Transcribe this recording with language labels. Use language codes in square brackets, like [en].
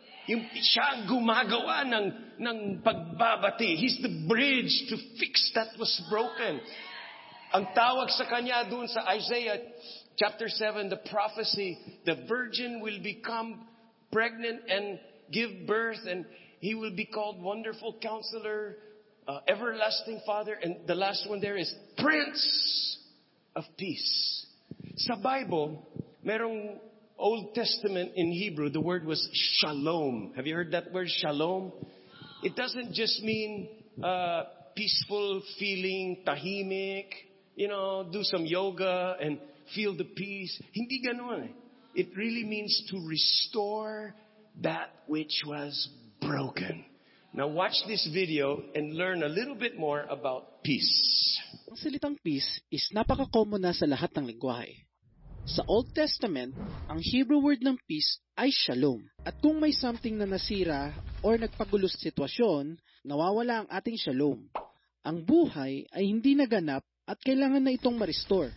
[tl] Siya ang gumagawa ng pagbabati. [en] He's the bridge to fix that was broken. [tl] Ang tawag sa kanya doon sa [en] Isaiah chapter 7, the prophecy, the virgin will become pregnant and give birth and he will be called Wonderful Counselor, Everlasting Father, and the last one there is Prince of Peace. [tl] Sa Bible, merong [en] Old Testament in Hebrew, the word was shalom. Have you heard that word, shalom? It doesn't just mean peaceful feeling, tahimik, you know, do some yoga and feel the peace. [tl] Hindi ganun. [en] It really means to restore that which was broken. Now watch this video and learn a little bit more about peace. [tl] Ang salitang peace is napaka-common na sa lahat ng lingwahe. Sa Old Testament, ang Hebrew word ng peace ay shalom. At kung may something na nasira or nagpagulo sa sitwasyon, nawawala ang ating shalom. Ang buhay ay hindi naganap at kailangan na itong ma-restore.